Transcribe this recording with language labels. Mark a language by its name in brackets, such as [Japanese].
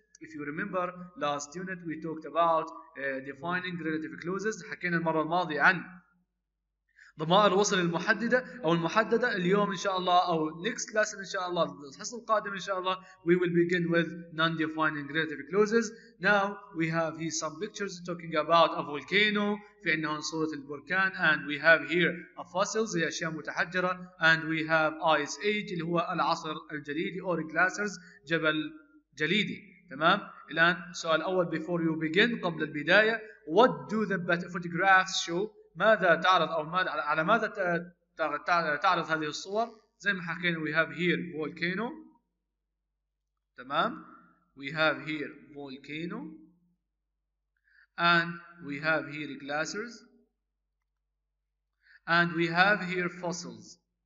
[English] If you remember last unit we talked about defining relative clauses، [Arabic] حكينا المرة الماضية عن ضمائر الوصل المحددة أو المحددة. اليوم إن شاء الله أو [English] next lesson [Arabic] إن شاء الله الحصة القادمة إن شاء الله [English] we will begin with non-defining relative clauses. Now we have here some pictures talking about a volcano. [Arabic] في عندنا هون صورة البركان. [English] And we have here a fossil [Arabic] زي أشياء متحجرة. [English] And we have ice age [Arabic] اللي هو العصر الجليدي [English] or glaciers [Arabic] جبل جليدي. تمام؟ الآن سؤال الأول [English] before you begin [Arabic] قبل البداية. [English] What do the photographs show؟ [Arabic] ماذا تعرض او ماذا على ماذا تعرض هذه الصور؟ زي ما حكينا [English] we have here volcano. تمام، we have here volcano and we have here glaciers and we have here fossils.